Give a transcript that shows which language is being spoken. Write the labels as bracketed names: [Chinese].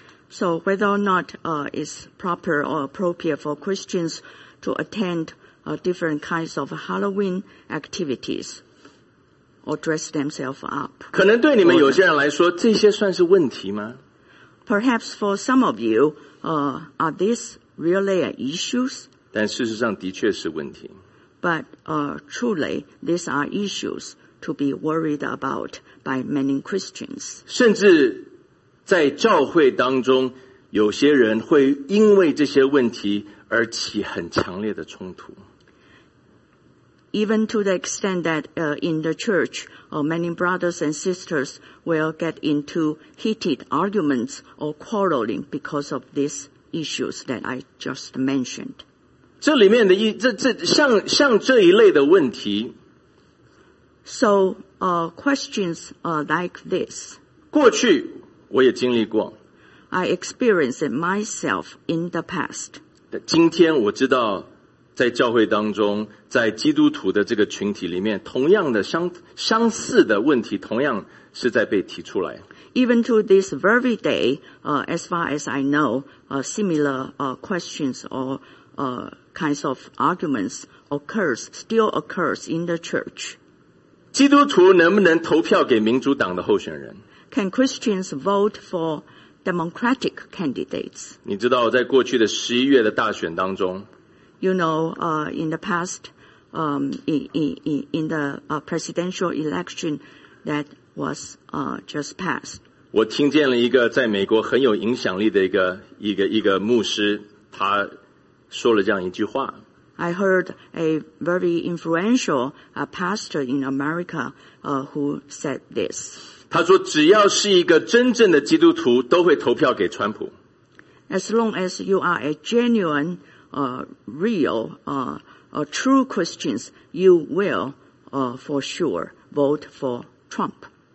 [English] So whether or not it's proper or appropriate for Christians to attenddifferent kinds of Halloween activities or dress themselves up. [Chinese] 可能对你们有些人来说这些算是问题吗 [English] Perhaps for some of you, are these really issues? [Chinese] 但事实上的确是问题。 [English] But, truly, these are issues to be worried about by many Christians. [Chinese] 甚至在教会当中有些人会因为这些问题而起很强烈的冲突。 [English] Even to the extent that in the church, many brothers and sisters will get into heated arguments or quarreling because of these issues that I just mentioned. [Chinese] 这里面的像这一类的问题 [English] So, questions like this. [Chinese] 过去我也经历过 [English] I experienced it myself in the past. [Chinese] 今天我知道在教会当中在基督徒的这个群体里面同样的相似的问题同样是在被提出来 [English] Even to this very day as far as I know similar questions or kinds of arguments still occurs in the church [Chinese] 基督徒能不能投票给民主党的候选人 [English] Can Christians vote for democratic candidates [Chinese] 你知道在过去的11月的大选当中 [English] You know, in the past, in the presidential election that was just passed. [Chinese] 我听见了一个在美国很有影响力的一个牧师，他说了这样一句话。 [English] I heard a very influential pastor in America who said this. [Chinese] 他说只要是一个真正的基督徒都会投票给川普。 [English] As long as you are a genuine, real, true Christians, you will, for sure, vote for Trump.